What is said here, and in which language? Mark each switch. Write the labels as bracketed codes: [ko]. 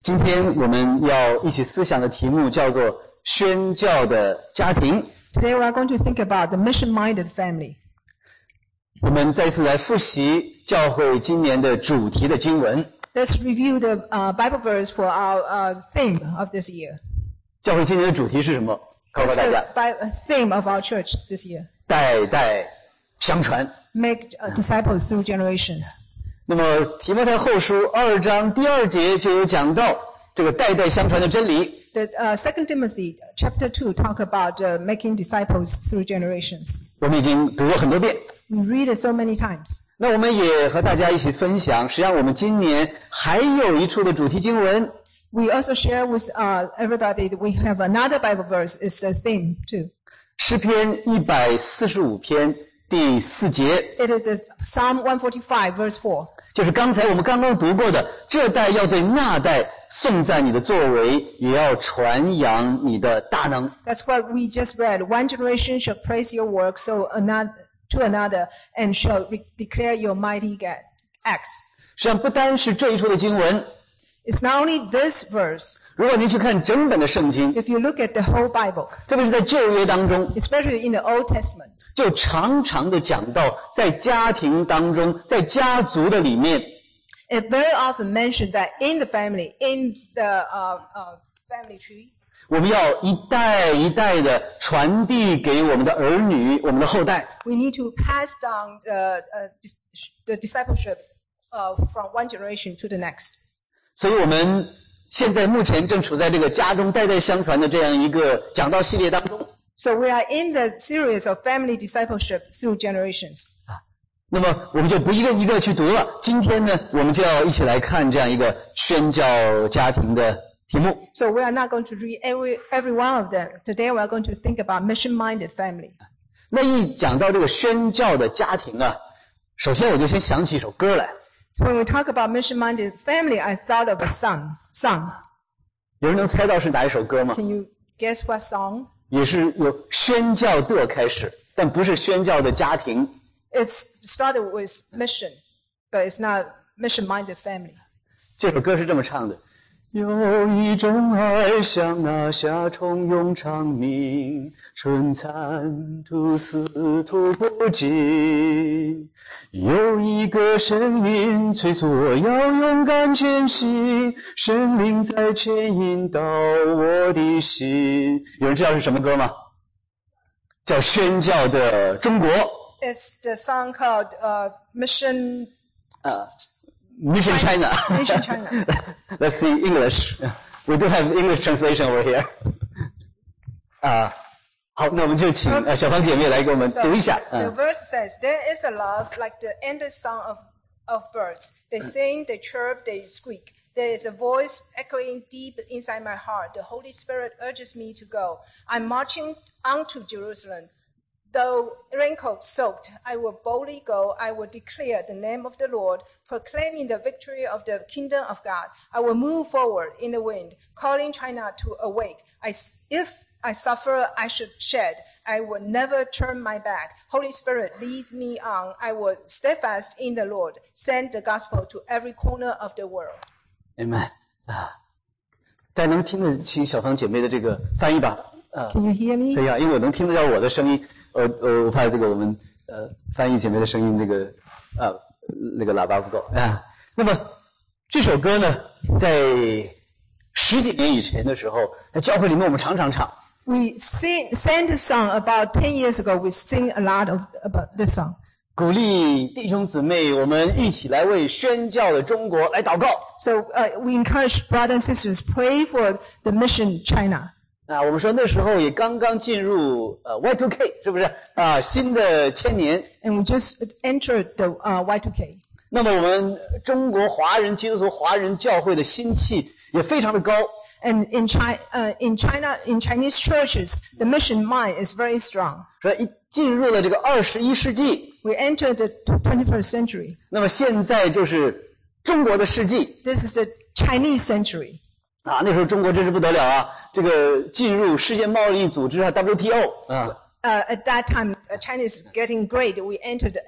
[zh] 今天我们要一起思想的题目叫做宣教的家庭。 [en] Today we are going to think about the mission-minded family. [zh] 我们再次来复习教会今年的主题的经文。 [en] Let's review the Bible verse for our theme of this year. [zh] 教会今年的主题是什么？告诉大家。 [en] Theme of our church this year. [zh] 代代相传。 [en] Make disciples through generations. [zh] 那么提摩太后书二章第二节就有讲到这个代代相传的真理。 [en] 2 Timothy chapter 2 talk about making disciples through generations. [zh] 我们已经读过很多遍。 [en] We read it so many times. [zh] 那我们也和大家一起分享，实际上我们今年还有一处的主题经文。 [en] We also share with everybody that we have another Bible verse is the theme too. [zh] 诗篇145篇第四节。 [en] It is the Psalm 145, verse 4. [zh] 就是刚才我们刚刚读过的，这代要对那代颂赞你的作为，也要传扬你的大能。 [en] That's what we just read. One generation shall praise your work so to another and shall declare your mighty acts. [zh] 实际上不单是这一处的经文。 [en] It's not only this verse. [zh] 如果您去看整本的圣经。 [en] If you look at the whole Bible. [zh] 特别是在旧约当中。 [en] Especially in the Old Testament. [zh] 就常常的讲到在家庭当中，在家族的里面。 [en] It very often mentioned that in the family, in the family tree. [zh] 我们要一代一代的传递给我们的儿女，我们的后代。 [en] We need to pass down the discipleship from one generation to the next. [zh] 所以我们现在目前正处在这个家中代代相传的这样一个讲道系列当中。 [en] So we are in the series of family discipleship through generations. [zh] 那么我们就不一个一个去读了。今天呢，我们就要一起来看这样一个宣教家庭的题目。 [en] So we are not going to read every one of them. Today we are going to think about mission-minded family. [zh] 那一讲到这个宣教的家庭啊，首先我就先想起一首歌来。 [en] When we talk about mission-minded family, I thought of a song. [zh] 有人能猜到是哪一首歌吗？ [en] Can you guess what song? [zh] 也是有宣教的开始，但不是宣教的家庭。 [en] It's started with mission, but it's not mission-minded family. [zh] 这首歌是这么唱的：有一种爱像那夏虫永长鸣，春蚕吐丝吐不尽。有一个声音催促我要勇敢前行，神灵在牵引到我的心。有人知道是什么歌吗？叫《宣教的中国》。 [en] It's the song called Mission. Mission China. Mission China. Let's see English. We do have English translation over here. [zh] 好，那我们就请小芳姐妹来给我们读一下。 [en] The verse says, "There is a love like the endless song of birds. They sing, they chirp, they squeak. There is a voice echoing deep inside my heart. The Holy Spirit urges me to go. I'm marching onto Jerusalem. Though raincoat soaked, I will boldly go. I will declare the name of the Lord. Proclaiming the victory of the kingdom of God, I will move forward in the wind, calling China to awake. If I suffer, I should shed. I will never turn my back. Holy Spirit, lead me on. I will steadfast in the Lord. Send the gospel to every corner of the world. Amen. [zh] 大家能听得清小芳姐妹的这个翻译吧？ [en] Can you hear me? [zh] 可以啊，因为我能听得到我的声音。我怕这个我们翻译姐妹的声音这个那个喇叭不够啊。那么这首歌呢，在十几年以前的时候，在教会里面我们常常唱。 [en] We sang the song about 10 years ago. We sing a lot about this song. [zh] 鼓励弟兄姊妹，我们一起来为宣教的中国来祷告。 [en] So we encourage brothers and sisters pray for the mission China. [zh] 啊，我们说那时候也刚刚进入Y2K 是不是啊？新的千年。 [en] And we just entered the Y2K. [zh] 那么我们中国华人基督徒华人教会的心气也非常的高。 [en] And in Chinese churches, the mission mind is very strong. [zh] 说一进入了这个21世纪。 [en] We entered the 21st century. [zh] 那么现在就是中国的世纪。 [en] This is the Chinese century. [zh] 啊，那时候中国真是不得了啊！这个进入世界贸易组织啊 WTO 啊。 [en] At that time, China is getting great. We entered